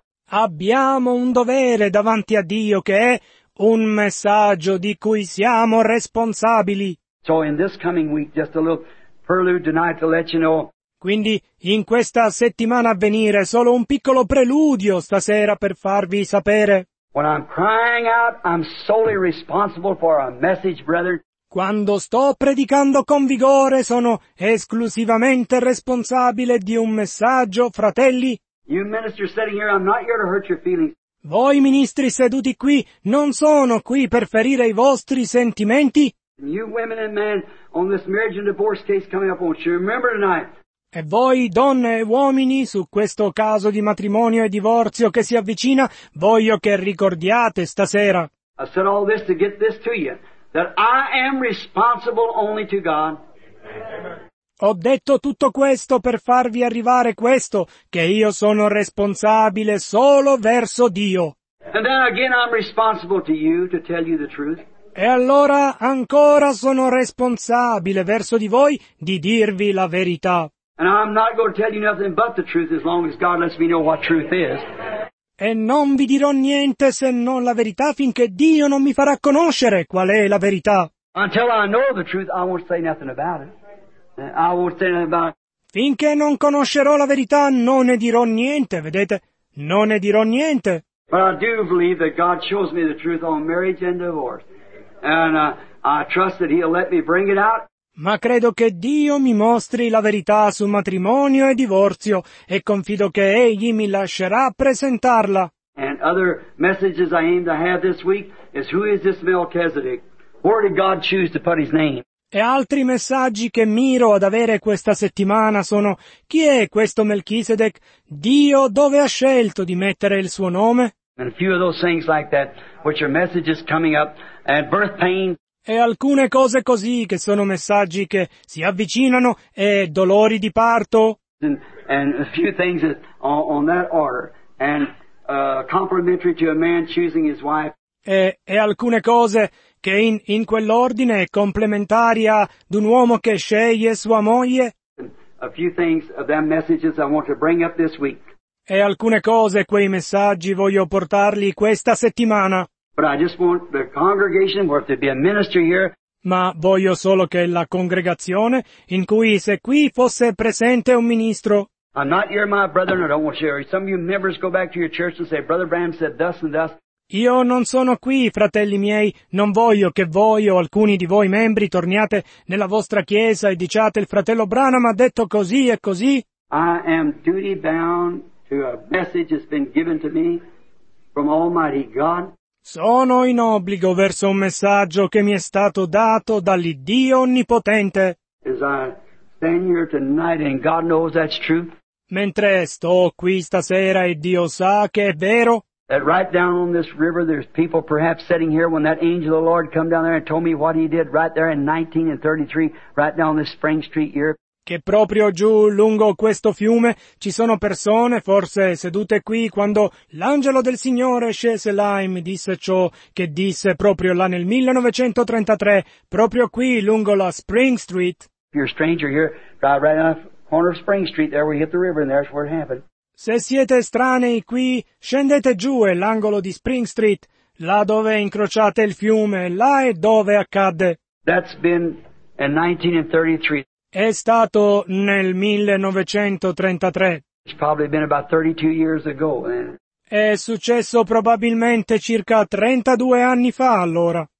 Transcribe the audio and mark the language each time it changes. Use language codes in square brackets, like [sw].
[it] Abbiamo un dovere davanti a Dio che è un messaggio di cui siamo responsabili. [en] So in this coming week, just a little prelude tonight to let you know. [it] Quindi, in questa settimana a venire, solo un piccolo preludio stasera per farvi sapere. [en] When I'm crying out, I'm solely responsible for a message, brethren. [it] Quando sto predicando con vigore, sono esclusivamente responsabile di un messaggio, fratelli. [en] You ministers sitting here, I'm not here to hurt your feelings. [it] Voi ministri seduti qui, non sono qui per ferire i vostri sentimenti. [en] You women and men on this marriage and divorce case coming up, won't you remember tonight? [it] E voi, donne e uomini, su questo caso di matrimonio e divorzio che si avvicina, voglio che ricordiate stasera. [en] I said all this to get this to you, that I am responsible only to God. [it] Ho detto tutto questo per farvi arrivare questo, che io sono responsabile solo verso Dio. [en] And then again I'm responsible to you to tell you the truth. [it] E allora ancora sono responsabile verso di voi di dirvi la verità. [en] And I'm not going to tell you nothing but the truth as long as God lets me know what truth is. [it] E non vi dirò niente se non la verità finché Dio non mi farà conoscere qual è la verità. [en] Until I know the truth, I won't say nothing about it. I won't say nothing about it. [it] Finché non conoscerò la verità, non ne dirò niente, vedete? Non ne dirò niente. [en] But I do believe that God shows me the truth on marriage and divorce. And I trust that He'll let me bring it out. [it] Ma credo che Dio mi mostri la verità su matrimonio e divorzio e confido che Egli mi lascerà presentarla. [en] And other messages I aim to have this week is who is this Melchizedek? Where did God choose to put his name? [it] E altri messaggi che miro ad avere questa settimana sono: chi è questo Melchisedec? Dio dove ha scelto di mettere il suo nome? [en] And a few of those things like that, which are messages coming up, and birth pains. [it] E alcune cose così che sono messaggi che si avvicinano e dolori di parto. [en] And a few things that, on that order, and complementary to a man choosing his wife. [it] E alcune cose che in quell'ordine è complementaria ad un uomo che sceglie sua moglie. [en] A few things of them messages I want to bring up this week. [it] E alcune cose, quei messaggi, voglio portarli questa settimana. [en] But I just want the congregation, where there be a ministry here. [it] Ma voglio solo che la congregazione, in cui se qui fosse presente un ministro. [en] I'm not here, my brother, and I don't want you. Some of you members go back to your church and say, Brother Branham said thus and thus. [it] Io non sono qui, fratelli miei, non voglio che voi o alcuni di voi membri torniate nella vostra chiesa e diciate il fratello Branham ha detto così e così. [en] I am duty bound to a message that's been given to me from Almighty God. [it] Sono in obbligo verso un messaggio che mi è stato dato dall'Iddio Onnipotente. [en] As I stand here tonight and God knows that's true. [it] Mentre sto qui stasera e Dio sa che è vero. [en] That right down on this river there's people perhaps sitting here when that angel of the Lord come down there and told me what he did right there in 1933 right down this Spring Street here. [it] Che proprio giù lungo questo fiume ci sono persone forse sedute qui quando l'angelo del Signore scese là e mi disse ciò che disse proprio là nel 1933 proprio qui lungo la Spring Street. [en] If you're a stranger here, drive right on the corner of Spring Street there where you hit the river and there's where it happened. [it] Se siete estranei qui, scendete giù è l'angolo di Spring Street, là dove incrociate il fiume, là è dove accadde. [en] That's been in 1933. [it] È stato nel 1933. [en] It's probably been about 32 years ago. [it] È successo probabilmente circa 32 anni fa allora.